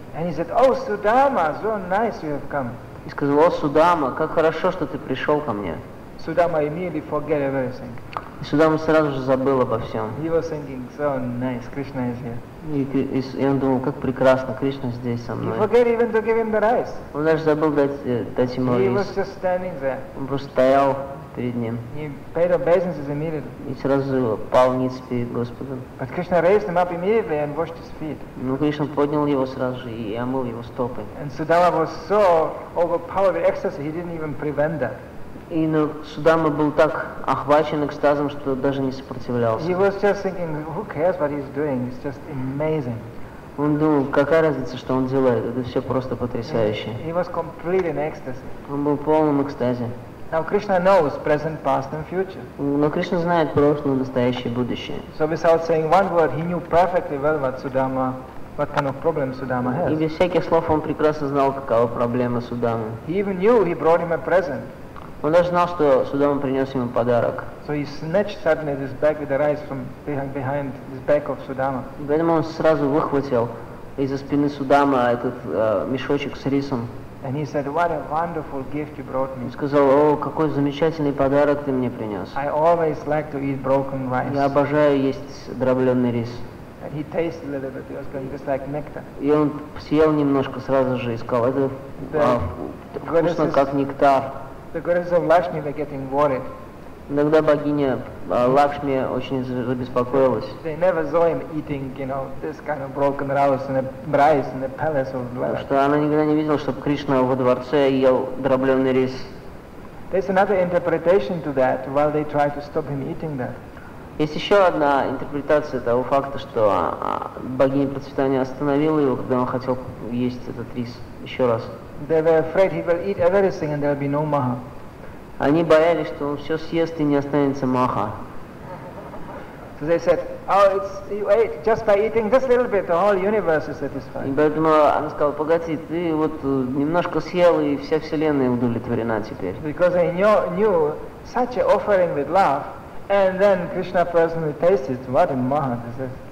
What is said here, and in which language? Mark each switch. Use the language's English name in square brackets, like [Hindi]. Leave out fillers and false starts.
[English] And he said, "Oh, Sudama, so nice you have come." [Russian] и сказал: «О, Судама, как хорошо, что ты пришел ко мне». [English] Судама immediately forget everything. [Russian] И Судама сразу же забыл обо всем. [English] He was thinking, so nice, Krishna is here. [Russian] И он думал, как прекрасно, Кришна здесь со мной. [English] He forget even to give him the rice. [Russian] Он даже забыл дать ему [English] he [Russian] рис. [English] Was just standing there. [Russian] Он просто стоял перед ним. [English] He paid obeisances immediately. [Russian] И сразу пал ниц перед Господом. [English] But Krishna raised him up immediately and washed his feet. [Russian] Ну, Кришна поднял его сразу же и омыл его стопы. [English] And Sudama was so overpowered with ecstasy, he didn't even prevent that. [Russian] И ну, Судама был так охвачен экстазом, что даже не сопротивлялся. [English] He was just thinking, who cares what he's doing? It's just amazing. [Russian] Он думал, какая разница, что он делает? Это все просто потрясающе. [English] He was completely in ecstasy. [Russian] Он был в полном экстазе. [English] Now Krishna knows present, past, and future. [Russian] Но Кришна знает прошлое, настоящее, будущее. [English] So without saying one word, he knew perfectly well what Sudama. What kind of problem Sudama has? [Russian] И без всяких слов он прекрасно знал, какова проблема Судамы. [English] He even knew he brought him a present. [Russian] Он даже знал, что Судама принес ему подарок. [English] So he snatched suddenly this bag with the rice from behind this back of Sudama. [Russian] Поэтому он сразу выхватил из-за спины Судама этот мешочек с рисом. [English] And he said, "What a wonderful gift you brought me." [Russian] И сказал: "О, какой замечательный подарок ты мне принес." [English] I always like to eat broken rice. [Russian] Я обожаю есть дробленый рис. [English] And he tasted a little bit. He was going just like nectar. [Russian] И он съел немножко сразу же и сказал: "Это вкусно как нектар." [English] The goddesses of Lakshmi were getting worried. [Russian] Иногда богиня Лакшми очень забеспокоилась. [English] They never saw him eating, you know, this kind of broken rice in the palace of Lakshmi. [Russian] Что она никогда не видела, чтобы Кришна во дворце ел дробленый рис. [English] There's another interpretation to that. While they try to stop him eating that. [Russian] Есть еще одна интерпретация того факта, что богиня процветания остановила его, когда он хотел есть этот рис еще раз. [English] They were afraid he will eat everything and there will be no maha. [Russian] Они боялись, что он все съест и не останется маха. [English] So they said, "Oh, it's you ate just by eating this little bit, the whole universe is satisfied." [Russian] И поэтому она сказала: "Погоди, ты вот немножко съел и вся вселенная удовлетворена теперь." [English] Because they knew such an offering with love, and then Krishna personally tasted what a maha this is.